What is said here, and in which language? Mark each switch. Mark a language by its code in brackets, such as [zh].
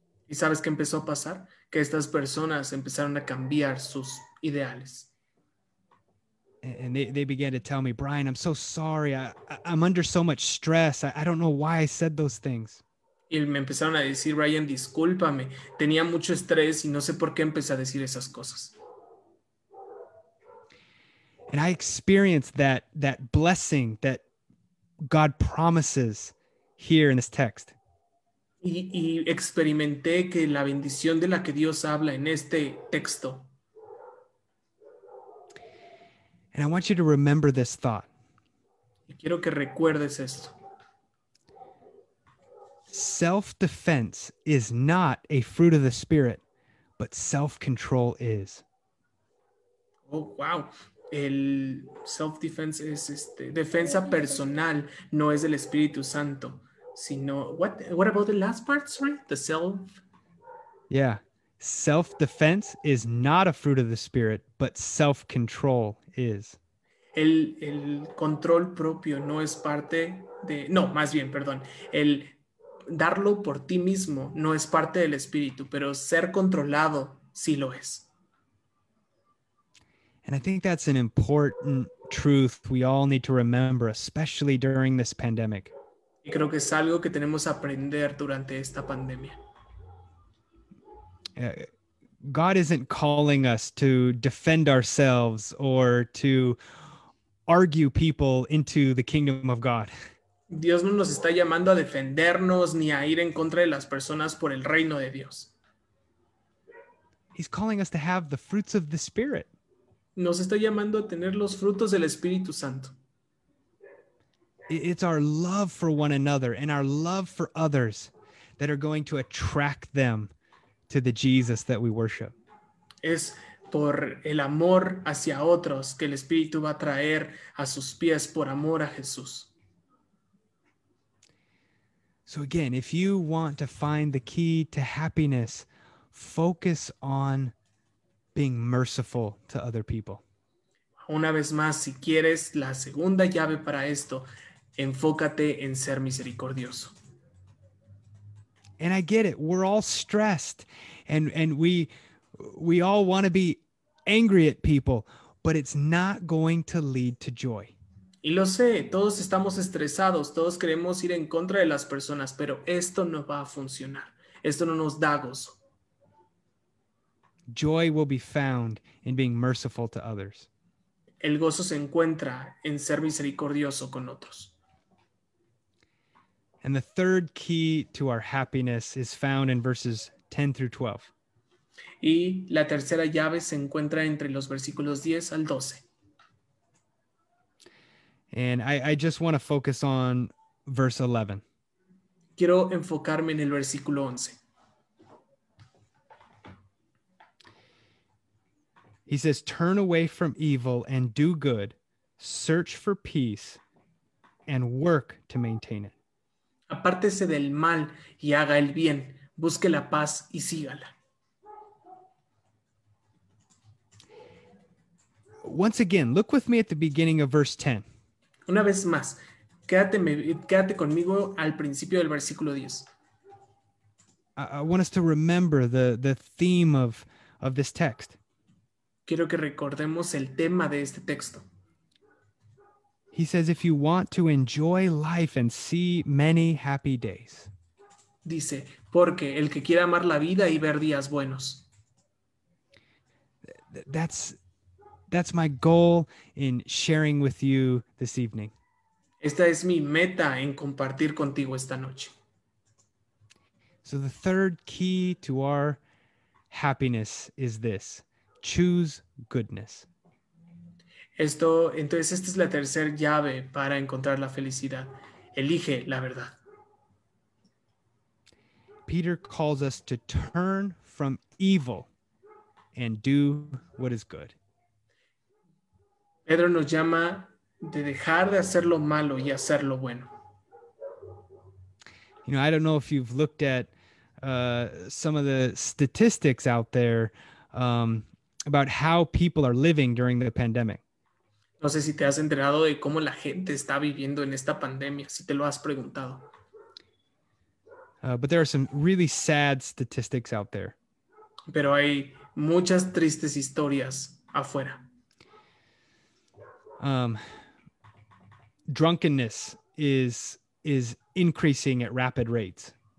[es] ¿Y sabes qué empezó a pasar? Que estas personas empezaron a cambiar sus ideales. [en] And they began to tell me, Brian, I'm so sorry. I'm under so much stress. I don't know why I said those things. [es] Y me empezaron a decir, Brian, discúlpame. Tenía mucho estrés y no sé por qué empecé a decir esas cosas. [en] And I experienced that blessing that God promises here in this text. [es] Y experimenté que la bendición de la que Dios habla en este texto. [en] And I want you to remember this thought. [es] Y quiero que recuerdes esto. [en] Self-defense is not a fruit of the Spirit, but self-control is. Oh, wow. [es] El self-defense es defensa personal, no es el Espíritu Santo, sino, [en] what about the last part, sorry? The self? Yeah. Self-defense is not a fruit of the Spirit, but self-control is. [es] El control propio no es parte de, no, más bien, perdón, el darlo por ti mismo no es parte del Espíritu, pero ser controlado sí lo es. [en] And I think that's an important truth we all need to remember, especially during this pandemic. [es] Y creo que es algo que tenemos que aprender durante esta pandemia. [en] God isn't calling us to defend ourselves or to argue people into the kingdom of God. [es] Dios no nos está llamando a defendernos ni a ir en contra de las personas por el reino de Dios. [en] He's calling us to have the fruits of the Spirit. [es] Nos está llamando a tener los frutos del Espíritu Santo. [en] It's our love for one another and our love for others that are going to attract them to the Jesus that we worship. [es] Es por el amor hacia otros que el Espíritu va a traer a sus pies por amor a Jesús. [en] So again, if you want to find the key to happiness, focus on being merciful to other people. [es] Una vez más, si quieres la segunda llave para esto, enfócate en ser misericordioso. [en] And I get it. We're all stressed and we all want to be angry at people, but it's not going to lead to joy. [es] Y lo sé, todos estamos estresados, todos queremos ir en contra de las personas, pero esto no va a funcionar. Esto no nos da gozo. [en] Joy will be found in being merciful to others. [es] El gozo se encuentra en ser misericordioso con otros. [en] And the third key to our happiness is found in verses 10 through 12. [es] Y la tercera llave se encuentra entre los versículos 10 al 12. [en] And I just want to focus on verse 11. [es] Quiero enfocarme en el versículo 11. [en] He says, turn away from evil and do good, search for peace and work to maintain it. [es] Apártese del mal y haga el bien. Busque la paz y sígala. [en] Once again, look with me at the beginning of verse 10. [es] Una vez más, quédate conmigo al principio del versículo 10. [en] I want us to remember the theme of this text. [es] Quiero que recordemos el tema de este texto. [en] He says, if you want to enjoy life and see many happy days. [es] Dice, porque el que quiera amar la vida y ver días buenos. [en] That's my goal in sharing with you this evening. [es] Esta es mi meta en compartir contigo esta noche. [en] So the third key to our happiness is this. Choose goodness. [es] Esta es la tercera llave para encontrar la felicidad. Elige la verdad. [en] Peter calls us to turn from evil and do what is good. [es] Pedro nos llama de dejar de hacer lo malo y hacer lo bueno. [en] You know, I don't know if you've looked at some of the statistics out there about how people are living during the pandemic. [es] No sé si te has enterado de cómo la gente está viviendo en esta pandemia, si te lo has preguntado. [en] But there are some really sad statistics out there. [es] Pero hay muchas tristes historias afuera. [en] Drunkenness is increasing at rapid rates.